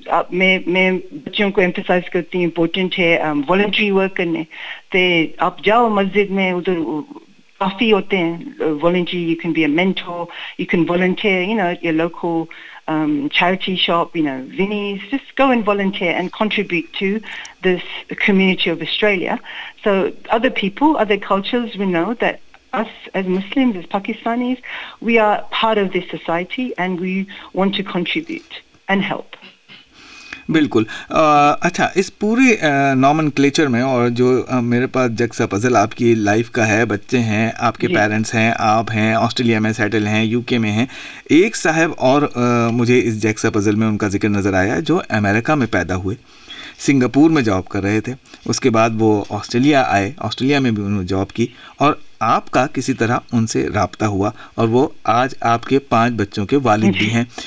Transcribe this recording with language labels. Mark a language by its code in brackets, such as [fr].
[ur] میں بچوں کو ایمفیسائز کرتی ہوں امپورٹنٹ ہے والنٹری ورک کرنے, تو آپ جاؤ مسجد میں, ادھر کافی ہوتے ہیں voluntary, [en] You can be a mentor, you can volunteer, you know your local charity shop, you know Vinnies, just go and volunteer and contribute to this community of Australia. So other people, other cultures, we know that us as Muslims, as Pakistanis, we are part of this society and we want to contribute and help. [ur] بالکل. اچھا اس پورے نومن کلیچر میں, اور جو میرے پاس جگسا puzzle آپ کی life کا ہے, بچے ہیں, آپ کے پیرنٹس ہیں, آپ ہیں, آسٹریلیا میں سیٹل ہیں, یو کے میں ہیں, ایک صاحب اور مجھے اس جگسا پزل میں ان کا ذکر نظر آیا جو امریکہ میں پیدا ہوئے, سنگاپور میں جاب کر رہے تھے, اس کے بعد وہ آسٹریلیا آئے, آسٹریلیا میں بھی انہوں نے جاب کی, اور آپ کا کسی طرح ان سے رابطہ ہوا, اور وہ آج آپ کے 5 بچوں کے والد بھی ہیں.